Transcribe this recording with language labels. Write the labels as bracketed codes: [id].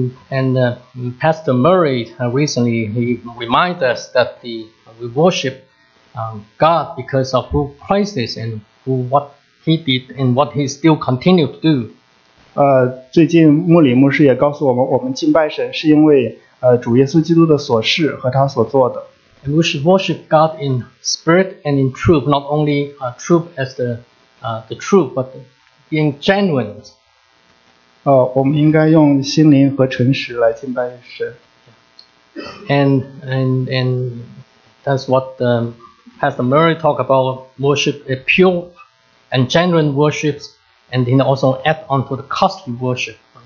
[en] And Pastor Murray recently he reminded us that we worship God because of who Christ is and who what He did and what He still continues to do. [zh] 最近穆里牧师也告诉我们，我们敬拜神是因为主耶稣基督的所事和他所做的。 [en] And we should worship God in spirit and in truth, not only truth as the truth, but being genuine. [zh] 我们应该用心灵和诚实来敬拜神。 [en] And that's what Pastor Murray talked about, worship a pure and genuine worship, and then also add on to the costly worship.